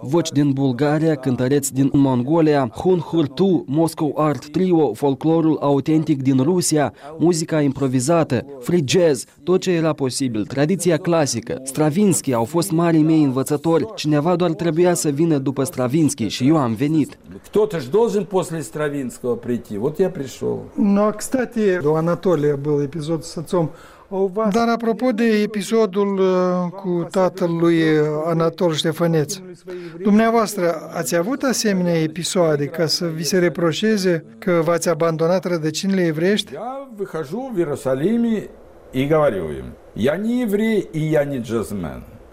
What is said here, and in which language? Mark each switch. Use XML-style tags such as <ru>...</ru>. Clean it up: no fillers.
<ro>Voci din Bulgaria, cântăreți din Mongolia, Hun Hurtu, Moscow Art Trio, folclorul autentic din Rusia, muzica improvizată, free jazz, tot ce era posibil, tradiția clasică. Stravinsky au fost marii mei învățători. Cineva doar trebuia să vină după Stravinsky și eu am venit.</ro> <ru>Кто-то же должен после Стравинского прийти. Вот я пришел. Ну, а, кстати, до Анатолия был эпизод с отцом.</ru> <ro>Dar apropo de episodul cu tatăl lui Anatol Ștefăneț, dumneavoastră ați avut asemenea episoade ca să vi se reproșeze că v-ați abandonat rădăcinile evreiești?</ro> <ru>Я выхожу в Иерусалиме и говорю им: я не еврей и я не джазмен.</ru>